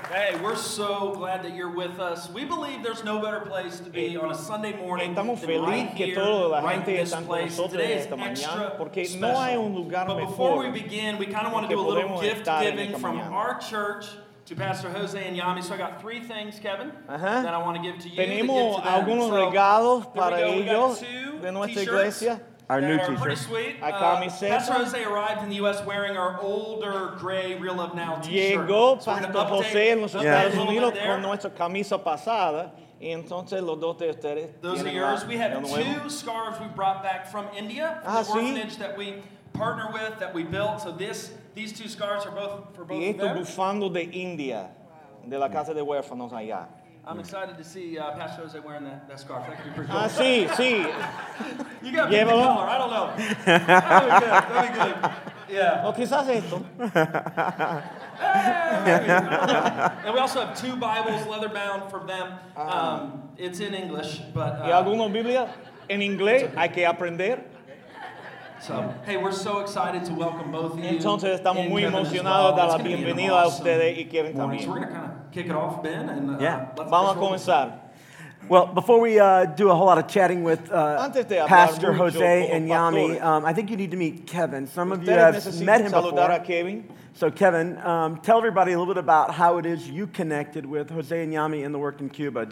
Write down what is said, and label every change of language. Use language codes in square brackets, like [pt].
[en] Hey, we're so glad that you're with us. We believe there's no better place to be on a Sunday morning than right here, right this place. Today is extra special. But before we begin, we kind of want to do a little gift giving from our church to Pastor Jose and Yami. So I got three things, Kevin, that I want to give to you. [es] Tenemos algunos regalos para ellos de nuestra iglesia. [en] Our new t-shirts. Pretty sweet. I call me Seth. Pastor Jose arrived in the U.S. wearing our older gray Real Love Now t-shirt. [es] Llegó Pastor Jose en los Estados Unidos con nuestra camisa pasada. Y entonces los dos de ustedes. [en] Those are yours. We have two scarves we brought back from India. The orphanage that we partner with, that we built. So these two scarves are both for both of them. [es] Y esto bufando de India, de la casa de huérfanos allá. [en] I'm excited to see Pastor Jose wearing that scarf. That could be pretty cool. [es] Ah, sí, sí. [en] You got the color. I don't know. That'd be good. Yeah. [es] O quizás esto. [en] And we also have two Bibles, leather bound for them. It's in English, but. [es] ¿Y alguna Biblia en inglés? Hay que aprender. [en] So, hey, we're so excited to welcome both of you. [es] Entonces estamos muy emocionados de la bienvenida a ustedes y Kevin también. [en] We're gonna kind of kick it off, Ben, and [es] vamos a comenzar. [en] Well, before we do a whole lot of chatting with Pastor Jose and Yami, I think you need to meet Kevin. Some of you have met him before. [es] A Kevin. [en] So, Kevin, tell everybody a little bit about how it is you connected with Jose and Yami and the work in Cuba.